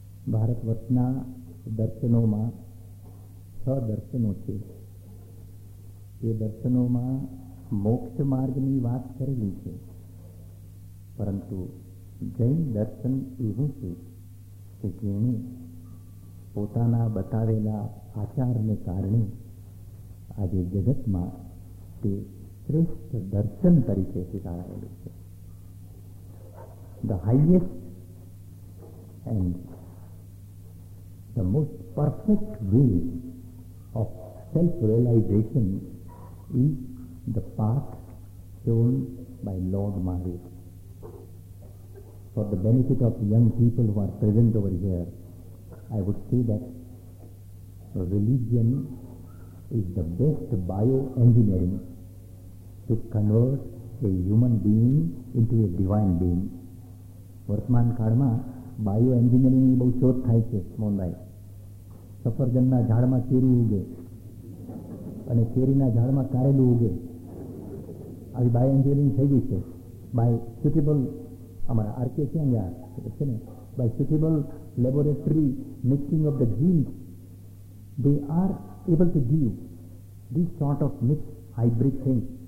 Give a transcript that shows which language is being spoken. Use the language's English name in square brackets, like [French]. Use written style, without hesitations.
[Gujarati] ભારતવર્ષના દર્શનોમાં છ દર્શનો છે, એ દર્શનોમાં મોક્ષ માર્ગની વાત કરેલી છે, પરંતુ જૈન દર્શન એવું છે કે જેણે પોતાના બતાવેલા આચારને કારણે આજે જગતમાં તે શ્રેષ્ઠ દર્શન તરીકે સ્વીકારાયેલું છે. [English] The highest and the most perfect way of self-realization is the path shown by Lord Mahavir. For the benefit of young people who are present over here, I would say that religion is the best bioengineering to convert a human being into a divine being. [Gujarati] વર્તમાન કાળમાં bio એન્જિનિયરિંગની બહુ શોધ થાય છે મોહનભાઈ. સફરજનના ઝાડમાં કેરી ઉગે અને કેરીના ઝાડમાં કારેલું ઉગે, આવી બાયો એન્જિનિયરિંગ થઈ ગઈ છે. [English] by suitable [Gujarati] અમારા આરકે છે અહીંયા છે ને, [English] By suitable laboratory mixing of the genes they are able to give this sort of mix hybrid thing.